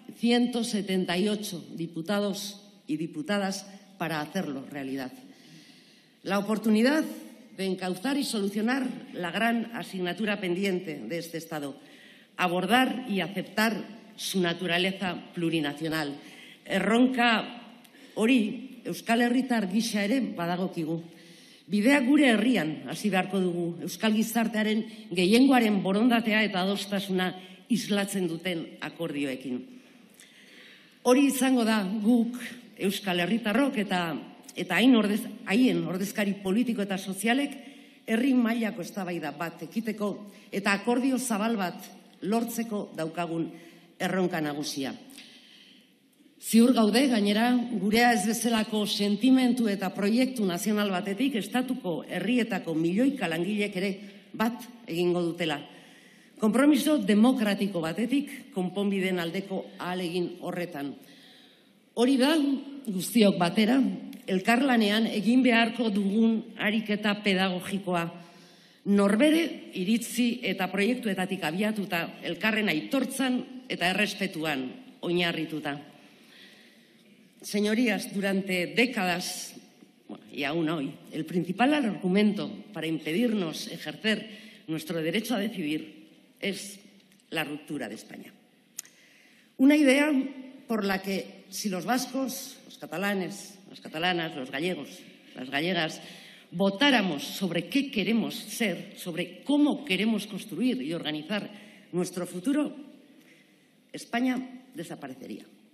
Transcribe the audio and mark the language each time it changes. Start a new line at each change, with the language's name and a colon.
Spanish: 178 diputados y diputadas para hacerlo realidad. La oportunidad de encauzar y solucionar la gran asignatura pendiente de este Estado, abordar y aceptar su naturaleza plurinacional.
Basque: Erronka hori Euskal Herritar gisa ere badagokigu. Bidea gure herrian hasi beharko dugu, Euskal Gizartearen gehiengoaren borondatea eta adostasuna islatzen duten akordioekin. Hori izango da guk Euskal Herritarrok eta haien ordezkari politiko eta sozialek herri mailako eztabaida bat ekiteko eta akordio zabal bat lortzeko daukagun erronka nagusia. Ziur gaude, gainera, gurea ez bezalako sentimentu eta proiektu nazional batetik estatuko herrietako milioika langilek ere bat egingo dutela. Konpromiso demokratiko batetik konponbideen aldeko ahalegin horretan. Hori da, guztiok batera, elkarlanean egin beharko dugun ariketa pedagogikoa. Norbere iritzi eta proiektuetatik abiatuta, elkarren aitortzan eta errespetuan oinarrituta.
Spanish: Señorías, durante décadas, y aún hoy, el principal argumento para impedirnos ejercer nuestro derecho a decidir es la ruptura de España. Una idea por la que, si los vascos, los catalanes, las catalanas, los gallegos, las gallegas, votáramos sobre qué queremos ser, sobre cómo queremos construir y organizar nuestro futuro, España desaparecería.